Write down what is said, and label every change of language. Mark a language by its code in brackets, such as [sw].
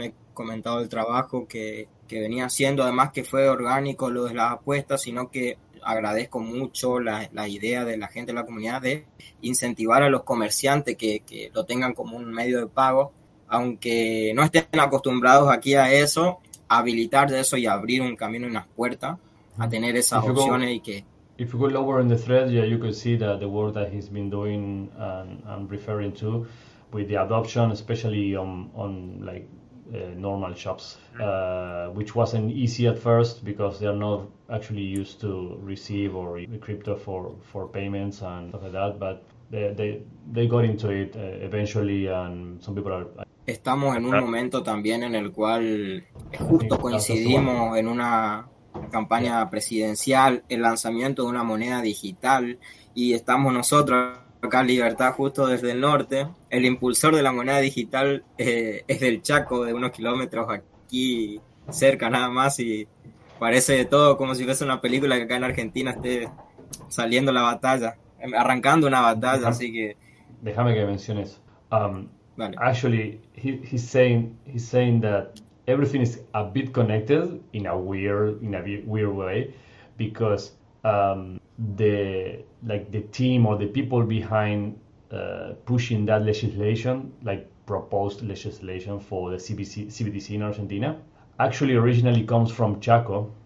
[es] He comentado el trabajo que venía haciendo, además que fue orgánico lo de las apuestas, sino que agradezco mucho la idea de la gente de la comunidad de incentivar a los comerciantes que lo tengan como un medio de pago. Aunque no estén acostumbrados aquí a eso, habilitar de eso y abrir un camino y una puerta a tener esas opciones y que... [en] If you go lower in the thread, yeah, you could see that the work that he's been doing and referring to with the adoption, especially on normal shops, which wasn't easy at first because they are not actually used to receive or crypto for payments and stuff like that, but they got into it eventually and some people are... [es] Estamos en un momento también en el cual justo coincidimos en una campaña presidencial, el lanzamiento de una moneda digital, y estamos nosotros acá en Libertad, justo desde el norte. El impulsor de la moneda digital es del Chaco, de unos kilómetros aquí cerca nada más, y parece de todo como si fuese una película que acá en Argentina esté saliendo la batalla, arrancando una batalla. Uh-huh. Así que déjame que mencione eso. [en] Actually, he's saying that everything is a bit connected in a weird way, because the team or the people behind pushing that legislation, like proposed legislation for the CBDC in Argentina, actually originally comes from Chaco.